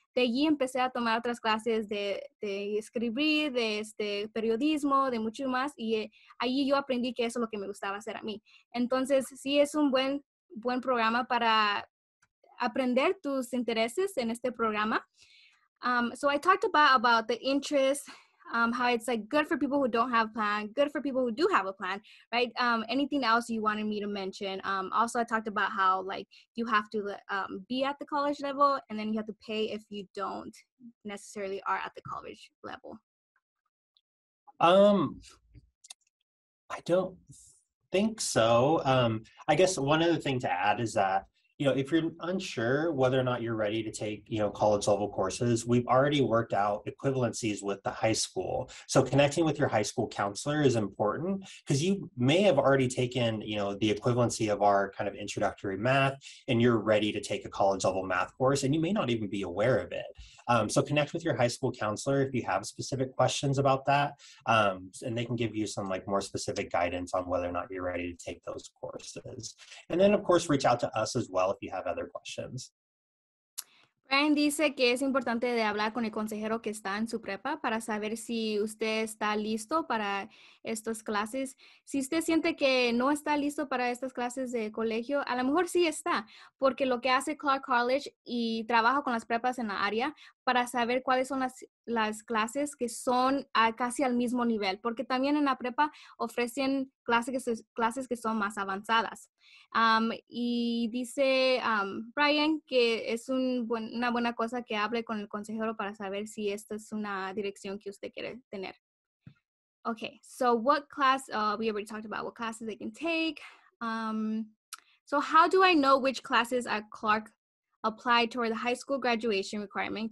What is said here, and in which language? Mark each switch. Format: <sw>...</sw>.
<es>De allí empecé a tomar otras clases de escribir, de periodismo, de mucho más. Y allí yo aprendí que eso es lo que me gustaba hacer a mí. Entonces, sí es un buen programa para aprender tus intereses en este programa.</es> <en>So I talked about the interest, how it's like good for people who don't have a plan, good for people who do have a plan, right? Anything else you wanted me to mention? Also, I talked about how like you have to be at the college level and then you have to pay if you don't necessarily are at the college level. I don't think so. I guess one other thing to add is that, you know, if you're unsure whether or not you're ready to take, you know, college level courses, we've already worked out equivalencies with the high school. So connecting with your high school counselor is important because you may have already taken, you know, the equivalency of our kind of introductory math and you're ready to take a college level math course and you may not even be aware of it. So connect with your high school counselor if you have specific questions about that, and they can give you some like more specific guidance on whether or not you're ready to take those courses. And then of course, reach out to us as well if you have other questions.</en> <es>Brian dice que es importante de hablar con el consejero que está en su prepa para saber si usted está listo para estas clases. Si usted siente que no está listo para estas clases de colegio, a lo mejor sí está, porque lo que hace Clark College y trabaja con las prepas en la área para saber cuáles son las clases que son casi al mismo nivel, porque también en la prepa ofrecen clases que son más avanzadas. Y dice Brian que es una buena cosa que hable con el consejero para saber si esta es una dirección que usted quiere tener.</es> <en>Okay, so what class, we already talked about what classes they can take. So how do I know which classes at Clark apply toward the high school graduation requirement?</en>